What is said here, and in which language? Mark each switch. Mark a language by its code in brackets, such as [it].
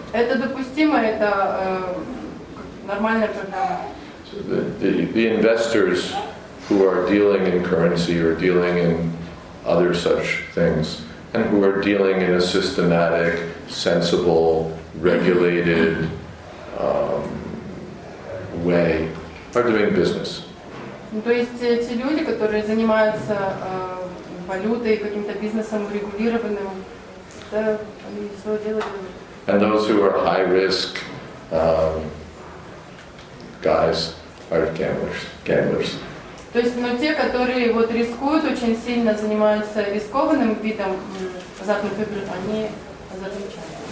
[ru] Это допустимо, это нормальная программа. [en] So the investors who are dealing in currency or dealing in other such things, and who are dealing in a systematic, sensible, regulated way, are doing business. [ru] То есть те люди, которые занимаются валютой, каким-то бизнесом регулированным, это дело. [en] And those who are high risk guys are gamblers. [ru] То есть, но те, которые вот рискуют очень сильно, занимаются рискованным видом азартных игр, они азартничают.